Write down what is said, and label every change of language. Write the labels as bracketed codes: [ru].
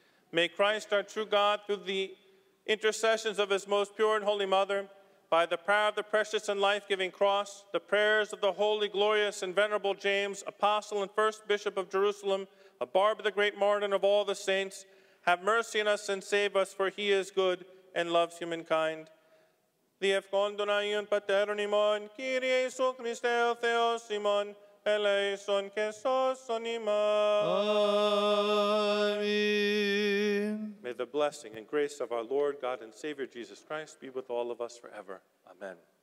[en] May Christ, our true God, through the intercessions of his most pure and holy mother, by the power of the precious and life-giving cross, the prayers of the holy, glorious, and venerable James, apostle and first bishop of Jerusalem, a Barbara the great martyr and of all the saints, have mercy on us and save us, for he is good and loves humankind. [el] The ευχόντων Αγίων Πατέρων ημών, Κύριε Ιησού Χριστέ ο Θεός ημών, ελέησον και σώσον ημών. Αμήν. [en] May the blessing and grace of our Lord, God, and Savior Jesus Christ be with all of us forever. Amen.